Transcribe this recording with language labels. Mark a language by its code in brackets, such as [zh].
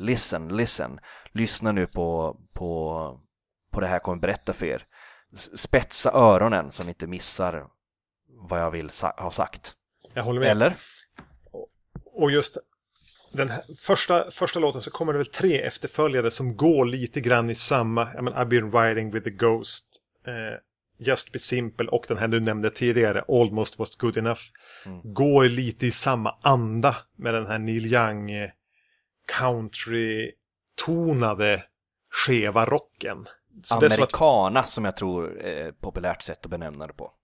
[en] Listen, listen. [sv] Lyssna nu på det här kommer berätta för er. Spetsa öronen så ni inte missar vad jag vill ha sagt. Jag håller med. Eller? Och just den här första låten, så kommer det väl tre efterföljare som går lite grann i samma. [en] I mean, I've been riding with the ghost. Just be simple. [sv] Och den här du nämnde tidigare, Almost was good enough. Mm. Går lite i samma anda med den här Neil Young country-tonade skeva rocken. Så amerikana, det är att, som jag tror populärt sett att benämna det på.